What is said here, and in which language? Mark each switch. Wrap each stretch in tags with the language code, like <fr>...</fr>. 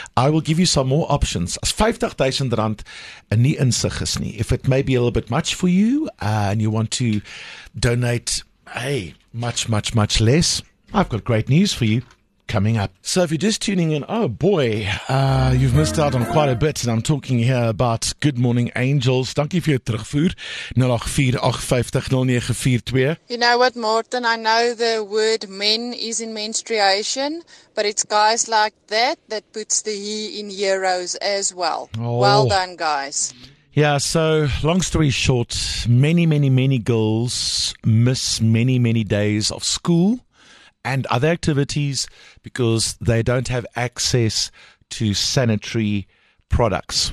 <en>I will give you some more options.</en> <af>As 50,000 rand nie insig is nie.</af> <en>If it may be a little bit much for you and you want to donate, hey, much, much, much less, I've got great news for you coming up. So if you're just tuning in, oh boy, you've missed out on quite a bit. And I'm talking here about Good Morning Angels.</en> <af>Dankie vir jou terugvoer. 084-850-0942.</af> <en>You know what, Martin? I know the word men is in menstruation, but it's guys like that that puts the he in heroes as well. Oh. Well done, guys. Yeah, so long story short, many, many, many girls miss many, many days of school and other activities because they don't have access to sanitary products.</en>